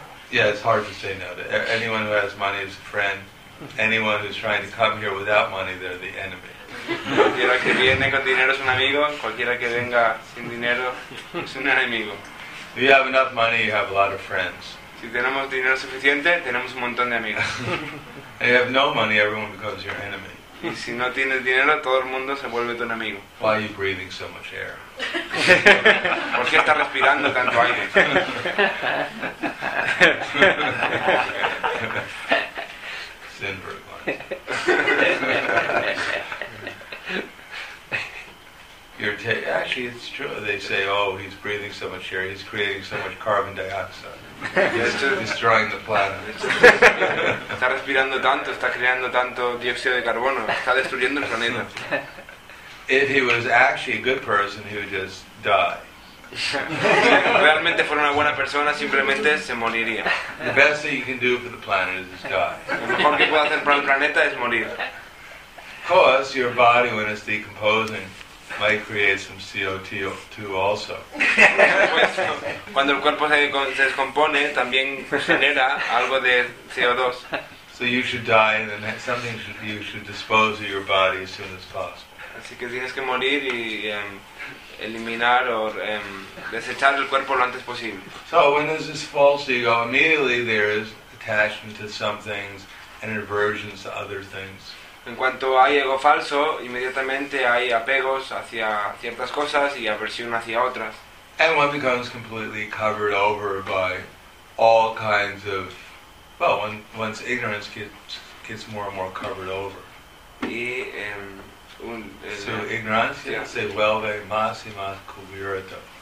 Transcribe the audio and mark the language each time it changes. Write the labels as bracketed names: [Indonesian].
[English] Yeah, it's hard to say no to anyone who has money is a friend. Anyone who's trying to come here without money, they're the enemy. [Spanish] Cualquiera que viene con dinero es un amigo. Cualquiera que venga sin dinero es un enemigo. [English] If you have enough money, you have a lot of friends. [Spanish] Si tenemos dinero suficiente, tenemos un montón de amigos. [English] If you have no money, everyone becomes your enemy. [Spanish] Y si no tienes dinero, todo el mundo se vuelve tu enemigo. [English] Why are you breathing so much air? [Spanish] ¿Por qué estás respirando tanto aire? Sinberg. [English] Actually, it's true. They say, "Oh, he's breathing so much air. He's creating so much carbon dioxide. He's destroying the planet." [Spanish] Está respirando tanto. Está creando tanto dióxido de carbono. Está destruyendo el planeta. [English] If he was actually a good person, he would just die. [Spanish] Si realmente fuera una buena persona, simplemente se moriría. [English] The best thing you can do for the planet is die. [Spanish] Lo mejor que puedo hacer para el planeta es morir. [English] Of course, your body when it's decomposing might create some CO2 also. [Spanish] Cuando el cuerpo se descompone, también genera algo de CO2. [English] So you should die, and then something should, you should dispose of your body as soon as possible. [Spanish] Así que tienes que morir y eliminar o desechar el cuerpo lo antes posible. [English] So when there's this false ego, immediately there is attachment to some things and aversions to other things. [Spanish] En cuanto hay ego falso, inmediatamente hay apegos hacia ciertas cosas y aversión hacia otras. [English] And one becomes completely covered over by all kinds of, well, one's ignorance gets more and more covered over. [Spanish] Y su ignorancia se vuelve más y más cubierta.